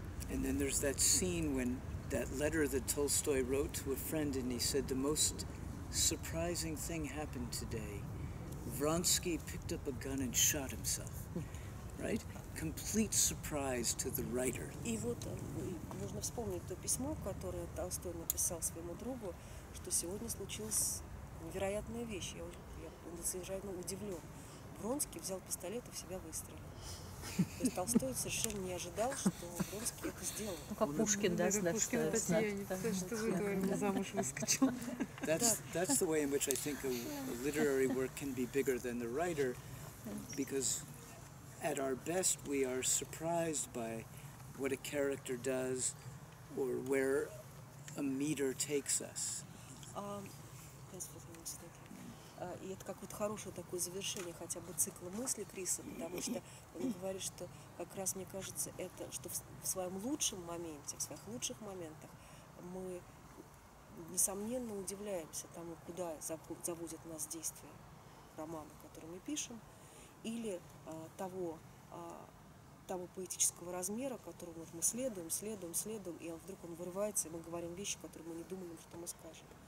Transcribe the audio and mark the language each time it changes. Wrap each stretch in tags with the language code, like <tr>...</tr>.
<en>And then there's that scene when that letter that Tolstoy wrote to a friend, and he said, the most surprising thing happened today. Vronsky picked up a gun and shot himself. Right? Complete surprise to the writer.</en> <ru>И вот нужно вспомнить то письмо, которое Толстой написал своему другу, что сегодня случилась невероятная вещь. Я совершенно удивлен. Вронский взял пистолет и в себя выстрелил. То есть Толстой совершенно не ожидал, что Вронский это сделал. Ну, как Пушкин, да, знает, что это. Пушкин, Татьяне, что вы говорили, замуж выскочил.</ru> <en>That's the way in which I think a literary work can be bigger than the writer, because at our best we are surprised by what a character does or where a meter takes us. That's what I was thinking.</en> <ru>И это как вот хорошее такое завершение хотя бы цикла мысли Криса, потому что он говорит, что как раз мне кажется, это что в своем лучшем моменте, в своих лучших моментах мы, несомненно, удивляемся тому, куда заводят нас действия романа, который мы пишем, или того поэтического размера, которому вот мы следуем, и вдруг он вырывается, и мы говорим вещи, которые мы не думали, что мы скажем.</ru>